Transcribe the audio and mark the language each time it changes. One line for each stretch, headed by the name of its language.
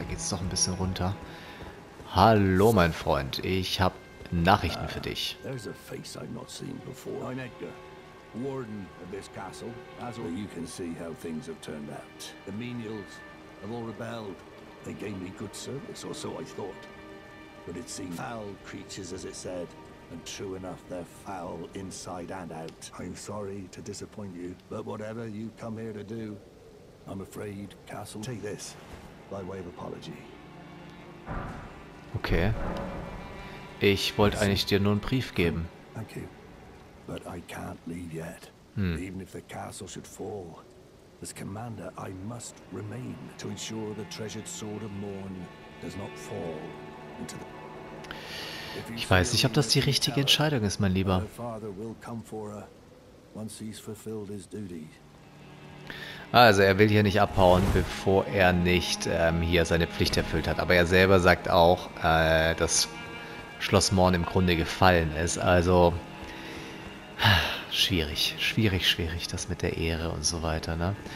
German: Noch ein bisschen runter. Hallo, mein Freund. Ich habe Nachrichten für dich.
English: There's a face I've not seen before. I'm Edgar, warden of this castle. As well, you can see how things have turned out. The menials have all rebelled. They gave me good service, or so I thought. But it seems foul creatures, as it said. And true enough, they're foul inside and out. I'm sorry to disappoint you, but whatever you come here to do, I'm afraid, castle. Take this. By way of apology. Okay.
German: Ich wollte eigentlich dir nur einen Brief geben.
English: Thank you. But I can't leave yet. Hm. Even if the castle should fall, as commander, I must remain to ensure the treasured sword of Morn does not fall into the...
German: Ich weiß nicht, ob das die richtige Entscheidung ist, mein Lieber.
English: Her father will come for her, once he's fulfilled his duty.
German: Also er will hier nicht abhauen, bevor er nicht hier seine Pflicht erfüllt hat. Aber er selber sagt auch, dass Schloss Morn im Grunde gefallen ist. Also schwierig, schwierig, schwierig, das mit der Ehre und so weiter, ne?